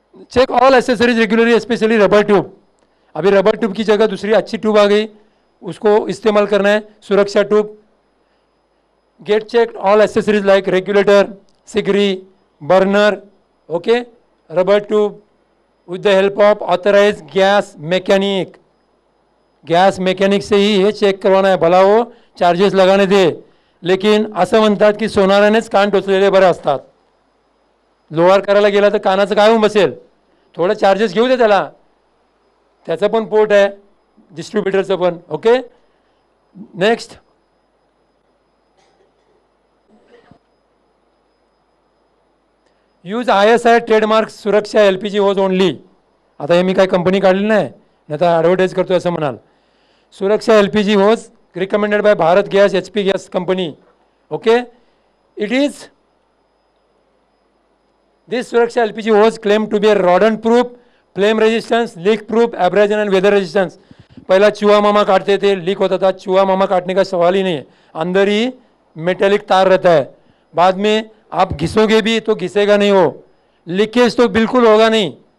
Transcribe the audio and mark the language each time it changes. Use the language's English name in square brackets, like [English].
[English] Check all accessories regularly, specially rubber tube. [Hindi] अभी rubber tube की जगह दूसरी अच्छी ट्यूब आ गई, उसको इस्तेमाल करना है, सुरक्षा tube. [English] Get check all accessories like regulator, सिगड़ी, burner, okay, rubber tube with the help of authorise gas mechanic. [Hindi] Gas mechanic से ही ये चेक करवाना है, भला वो चार्जेस लगाने दे, लेकिन [Marathi] असं म्हणतात की सोनारानेच कान टोचलेले बरे असतात, लोहार करायला गेला तर कानाचं काय होऊन बसेल, थोडं चार्जेस घेऊ दे त्याला, त्याचं पण पोट आहे, डिस्ट्रीब्युटरचं पण। [English] Okay, next, use ISI trademark Suraksha LPG hose only. [Marathi] आता हे मी काय कंपनी काढली नाही, नाही तर ॲडव्हर्टाईज करतो असं म्हणाल। [English] Suraksha LPG hose recommended by Bharat gas HP gas company. Okay, it is this Suraksha LPG hose claim to be a rodent proof, flame resistance, leak proof, abrasion and weather resistance. [Marathi] पहिला चुहा मामा काटते ते लीक होत होता, [Hindi] चुहा मामा काटणे का सवाल ही नाही, अंदरही मेटॅलिक तार रहता है, बाद में आप घिसोगे भी तो घिसेगा नहीं, हो लीकेज तो बिल्कुल होगा नहीं।